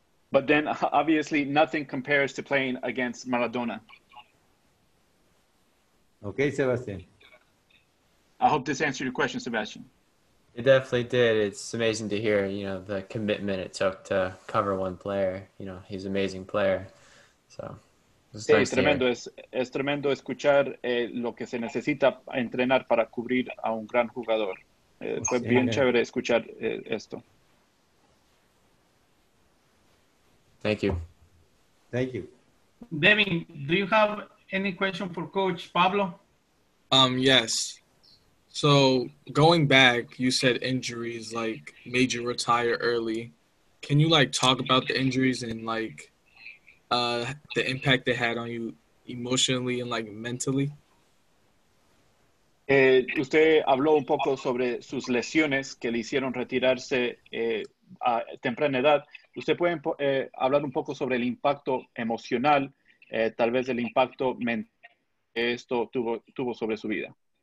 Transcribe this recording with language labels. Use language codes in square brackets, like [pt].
[en] But then, obviously, nothing compares to playing against Maradona. Okay, Sebastian. I hope this answered your question, Sebastian. It definitely did. It's amazing to hear, you know, the commitment it took to cover one player. You know, he's an amazing player. So, [es] sí, [en] nice [es] tremendo. Es tremendo escuchar lo que se necesita entrenar para cubrir a un gran jugador. Fue sí, bien chévere escuchar esto. [en] Thank you. Thank you. Devin, do you have any question for Coach Pablo? Yes. So going back, you said injuries, like made you retire early. Can you like talk about the injuries and like the impact they had on you emotionally and like mentally? [es] Usted habló un poco sobre sus lesiones que le hicieron retirarse a temprana edad. ¿Usted puede hablar un poco sobre el impacto emocional, tal vez el impacto mental que esto tuvo sobre su vida?